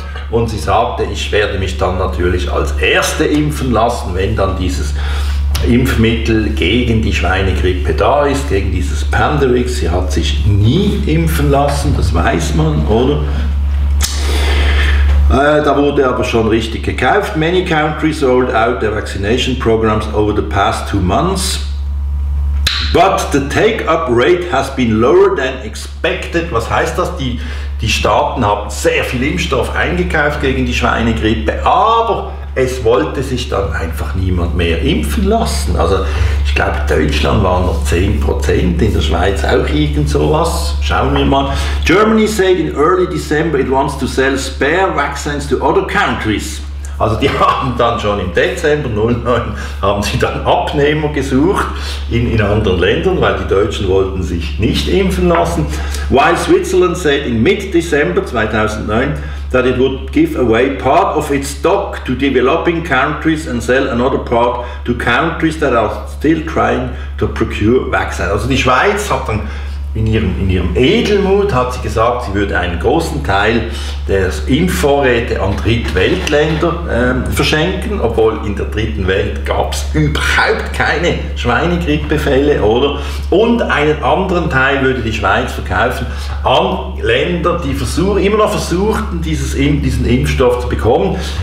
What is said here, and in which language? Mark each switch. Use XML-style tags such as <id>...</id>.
<de>Und sie sagte, ich werde mich dann natürlich als Erste impfen lassen, wenn dann dieses Impfmittel gegen die Schweinegrippe da ist, gegen dieses Pandemrix. Sie hat sich nie impfen lassen, das weiß man, oder? Da wurde aber schon richtig gekauft.</de> <en>Many countries rolled out their vaccination programs over the past 2 months. But the take-up rate has been lower than expected.</en> <de>Was heißt das? Die Staaten haben sehr viel Impfstoff eingekauft gegen die Schweinegrippe, aber es wollte sich dann einfach niemand mehr impfen lassen. Also ich glaube, Deutschland waren noch 10%, in der Schweiz auch irgend sowas. Schauen wir mal.</de> <en>Germany said in early December it wants to sell spare vaccines to other countries.</en> <de>Also die haben dann schon im Dezember 2009 haben sie dann Abnehmer gesucht in anderen Ländern, weil die Deutschen wollten sich nicht impfen lassen.</de> <en>While Switzerland said in mid-December 2009 that it would give away part of its stock to developing countries and sell another part to countries that are still trying to procure vaccines.</en> <de>Also die Schweiz hat dann In ihrem Edelmut hat sie gesagt, sie würde einen großen Teil der Impfvorräte an Drittweltländer verschenken, obwohl in der dritten Welt gab es überhaupt keine Schweinegrippefälle, oder? Und einen anderen Teil würde die Schweiz verkaufen an Länder, die immer noch versuchten, diesen Impfstoff zu bekommen.</de>